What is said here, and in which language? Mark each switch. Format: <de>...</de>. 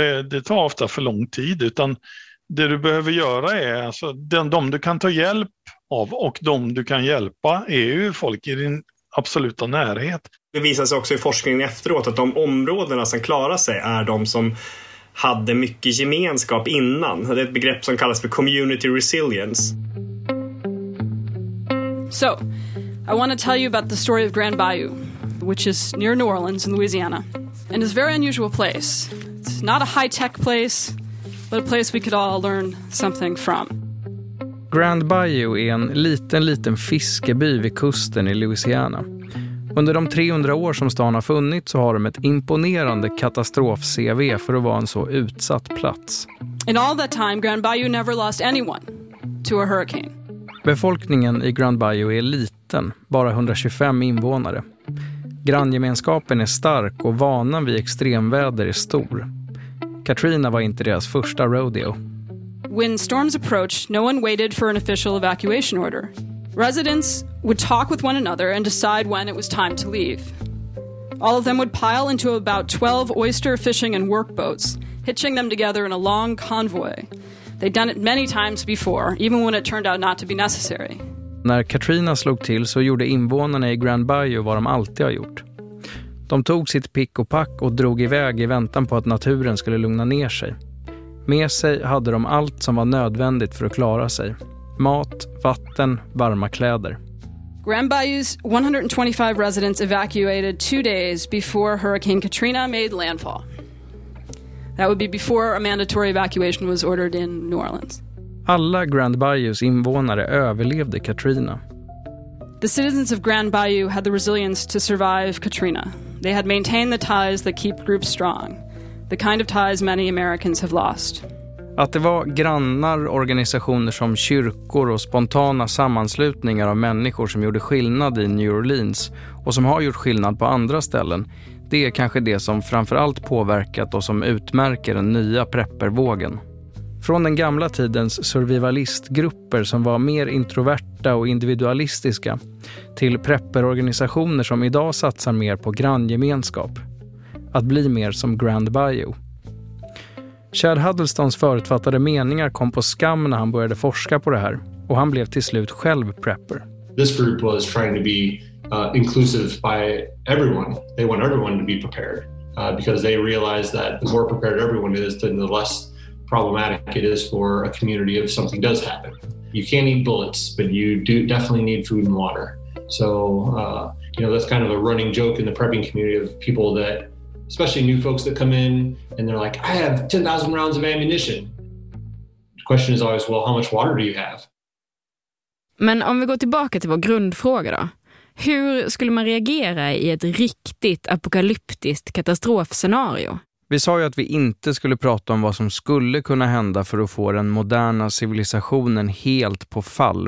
<sv>Det tar ofta för lång tid, utan det du behöver göra är alltså, de du kan ta hjälp av och de du kan hjälpa är ju folk i din absoluta närhet. Det visar sig också i forskningen efteråt att de områdena som klarar sig är de som hade mycket gemenskap innan. Det är ett begrepp som kallas för community resilience.</sv> <en>So, I want to tell you about the story of Grand Bayou, which is near New Orleans in Louisiana. And it's a very unusual place. It's not a high-tech place, but a place we could all learn something from.</en> <sv>Grand Bayou är en liten fiskeby vid kusten i Louisiana. Under de 300 år som stan har funnits så har de ett imponerande katastrof-CV för att vara en så utsatt plats.</sv> <en>In all that time, Grand Bayou never lost anyone to a hurricane.</en> <sv>Befolkningen i Grand Bayou är liten, bara 125 invånare. Granngemenskapen är stark och vanan vid extremväder är stor. Katrina var inte deras första rodeo.</sv> <en>When storms approached, no one waited for an official evacuation order. Residents would talk with one another and decide when it was time to leave. All of them would pile into about 12 oyster fishing and work boats, hitching them together in a long convoy. They'd done it many times before, even when it turned out not to be necessary.</en> <sv>När Katrina slog till så gjorde invånarna i Grand Bayou vad de alltid har gjort. De tog sitt pick och pack och drog iväg i väntan på att naturen skulle lugna ner sig. Med sig hade de allt som var nödvändigt för att klara sig. Mat, vatten, varma kläder.</sv> <en>Grand Bayou's 125 residents evacuated 2 days before Hurricane Katrina made landfall. That would be before a mandatory evacuation was ordered in New Orleans.</en> <sv>Alla Grand Bayou's invånare överlevde Katrina.</sv> <en>The citizens of Grand Bayou had the resilience to survive Katrina. They had maintained the ties that keep groups strong. The kind of ties many Americans have lost.</en> <sv>Att det var grannar, organisationer som kyrkor och spontana sammanslutningar av människor som gjorde skillnad i New Orleans och som har gjort skillnad på andra ställen, det är kanske det som framförallt påverkat och som utmärker den nya preppervågen. Från den gamla tidens survivalistgrupper som var mer introverta och individualistiska till prepperorganisationer som idag satsar mer på granngemenskap. Att bli mer som Grand Bayou. Chad Huddlestons förutfattade meningar kom på skam när han började forska på det här, och han blev till slut själv prepper.</sv> <en>This group was trying to be inclusive by everyone. They want everyone to be prepared because they realized that the more prepared everyone is, then the less problematic it is for a community if something does happen. You can't eat bullets, but you do definitely need food and water. So, you know, that's kind of a running joke in the prepping community of people that, especially new folks that come in and they're like, I have 10,000 rounds of ammunition. The question is always, well, how much water do you have?</en> <sv>Men om vi går tillbaka till vår grundfråga då. Hur skulle man reagera i ett riktigt apokalyptiskt katastrofscenario? Vi sa ju att vi inte skulle prata om vad som skulle kunna hända för att få den moderna civilisationen helt på fall.</sv>